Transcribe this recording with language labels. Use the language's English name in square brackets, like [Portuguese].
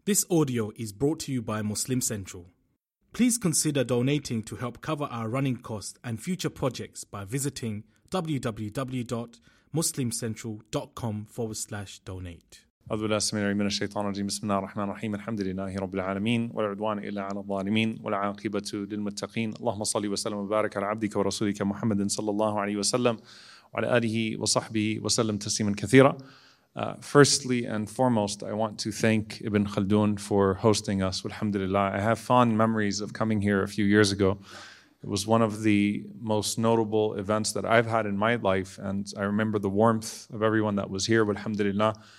[English] This audio is brought to you by Muslim Central. Please consider donating to help cover our running costs and future projects by visiting www.muslimcentral.com/donate. [Arabic] أعوذ بالله السميع العليم من الشيطان الرجيم بسم الله الرحمن الرحيم الحمد لله رب العالمين ولا عدوان إلا على الظالمين ولا عاقبة للمتقين اللهم صل وسلم وبارك على عبدك ورسولك محمد صلى الله عليه وسلم وعلى آله وصحبه وسلم تسليما كثيرا. [English] Firstly and foremost, I want to thank Ibn Khaldun for hosting us. Alhamdulillah. I have fond memories of coming here a few years ago. It was one of the most notable events that I've had in my life, and I remember the warmth of everyone that was here. Alhamdulillah.